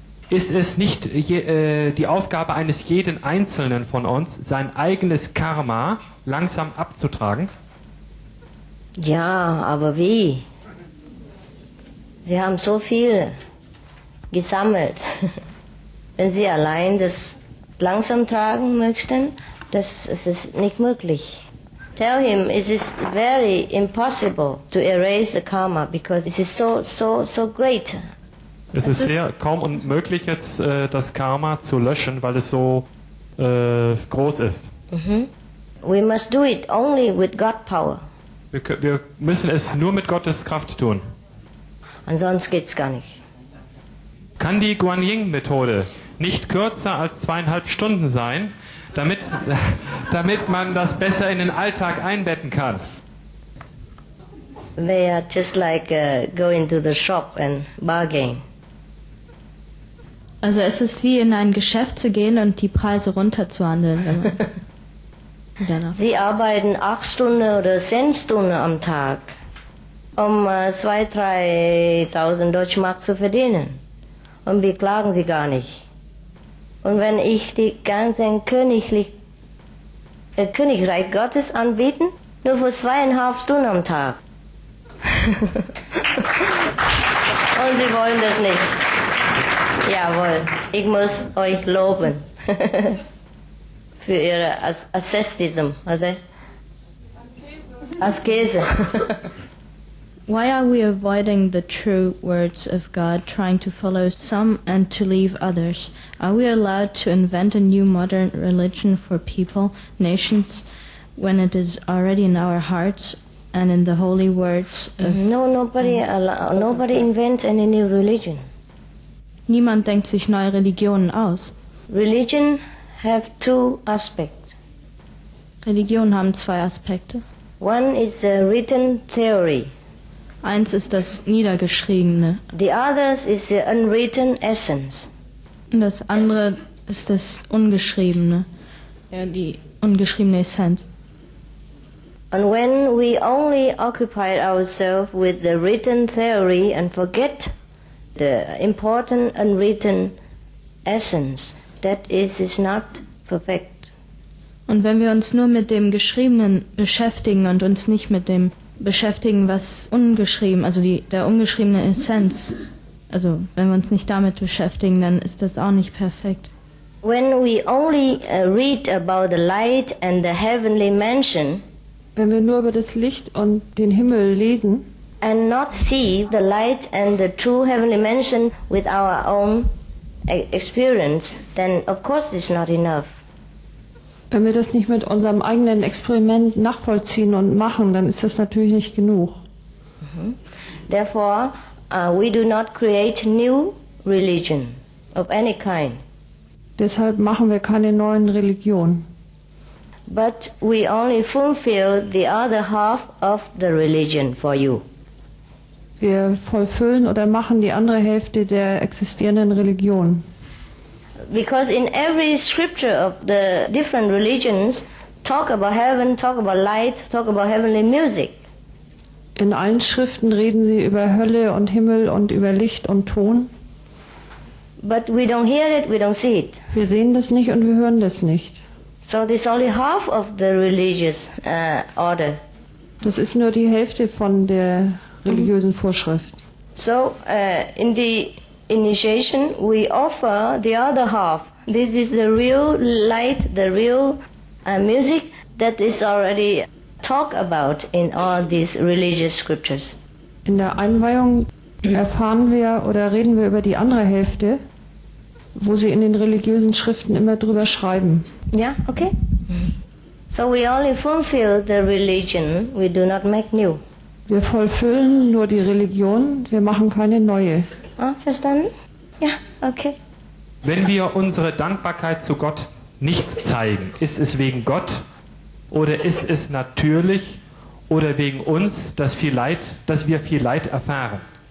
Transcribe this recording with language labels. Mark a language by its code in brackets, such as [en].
[de] Ist es nicht die Aufgabe eines jeden Einzelnen von uns, sein eigenes Karma langsam abzutragen? Ja, aber wie? Sie haben so viel gesammelt. Wenn Sie allein das langsam tragen möchten, das ist nicht möglich. [en] Tell him, it is very impossible to erase the karma, because it is so great. [de] Es ist sehr kaum unmöglich, jetzt das Karma zu löschen, weil es so groß ist. Mm-hmm. [en] We must do it only with God power. [de] Wir müssen es nur mit Gottes Kraft tun. Ansonsten geht's gar nicht. Kann die Guanyin-Methode nicht kürzer als 2,5 Stunden sein, damit man das besser in den Alltag einbetten kann? [en] They are just like going to the shop and bargain. [de] Also es ist wie in ein Geschäft zu gehen und die Preise runterzuhandeln. Sie arbeiten 8 Stunden oder 10 Stunden am Tag, um 2,000-3,000 Deutschmark zu verdienen. Und beklagen Sie gar nicht. Und wenn ich die ganzen Königreich Gottes anbieten, nur für 2,5 Stunden am Tag. Und Sie wollen das nicht. Jawohl, ich muss euch loben für Ihr Asceticism. Also, Askese. [en] Why are we avoiding the true words of God, trying to follow some and to leave others? Are we allowed to invent a new modern religion for people, nations, when it is already in our hearts and in the holy words of... No, nobody invents any new religion. [de] Niemand denkt sich neue Religionen aus. [en] Religion have two aspects. [de] Religionen haben zwei Aspekte. [en] One is a written theory. [de] Eins ist das Niedergeschriebene. [en] The other is the unwritten essence. [de] Und das andere ist das Ungeschriebene. Ja, die ungeschriebene Essenz. [en] And when we only occupy ourselves with the written theory and forget the important unwritten essence, that is not perfect. [de] Und wenn wir uns nur mit dem Geschriebenen beschäftigen und uns nicht mit dem beschäftigen, was ungeschrieben, also die, der ungeschriebene Essenz, also wenn wir uns nicht damit beschäftigen, dann ist das auch nicht perfekt. [en] When we only read about the light and the heavenly mansion, [de] wenn wir nur über das Licht und den Himmel lesen, [en] and not see the light and the true heavenly mansion with our own experience, then of course it's not enough. [de] Wenn wir das nicht mit unserem eigenen Experiment nachvollziehen und machen, dann ist das natürlich nicht genug. [en] Therefore, we do not create new religion of any kind. [de] Deshalb machen wir keine neuen Religionen. [en] But we only fulfill the other half of the religion for you. [de] Wir vollfüllen oder machen die andere Hälfte der existierenden Religion. [en] Because in every scripture of the different religions, talk about heaven, talk about light, talk about heavenly music. [de] In allen Schriften reden sie über Hölle und Himmel und über Licht und Ton. [en] But we don't hear it, we don't see it. [de] Wir sehen das nicht und wir hören das nicht. [en] So this is only half of the religious order. [de] Das ist nur die Hälfte von der religiösen Vorschrift. [en] So in the initiation we offer the other half. This is the real light, the real music that is already talked about in all these religious scriptures. [de] In der Einweihung erfahren wir oder reden wir über die andere Hälfte, wo sie in den religiösen Schriften immer drüber schreiben. Ja, yeah, okay. [en] So we only fulfill the religion, we do not make new. [de] Wir vollfüllen nur die Religion, wir machen keine neue. Ah, verstanden? Ja, okay. Wenn wir unsere Dankbarkeit zu Gott nicht zeigen, ist es wegen Gott oder ist es natürlich oder wegen uns, dass wir viel Leid erfahren?